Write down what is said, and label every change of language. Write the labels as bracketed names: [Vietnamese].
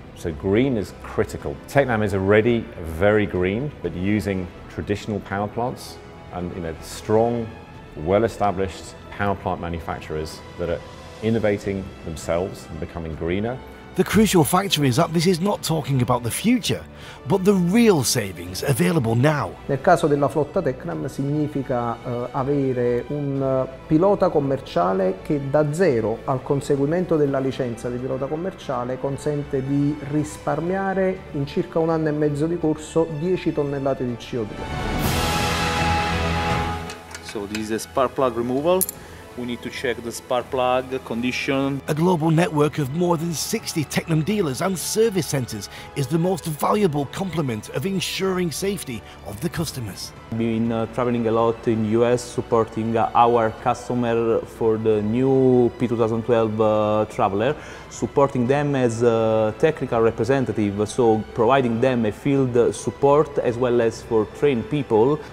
[English] So green is critical. Tecnam is already very green, but using traditional power plants and, you know, strong, well-established power plant manufacturers that are innovating themselves and becoming greener. The crucial factor is that this is not talking about the future, but the real savings available now. [Italian] Nel caso della flotta Tecnam significa avere un pilota commerciale che da zero al conseguimento della licenza di pilota commerciale consente di risparmiare in circa un anno e mezzo di corso 10 tonnellate di CO2. [English] So this is a spark plug removal. We need to check the spark plug condition. A global network of more than 60 Tecnam dealers and service centers is the most valuable complement of ensuring safety of the customers. We've been traveling a lot in the US supporting our customer for the new P2012 Traveller, supporting them as a technical representative, so providing them a field support as well as for trained people.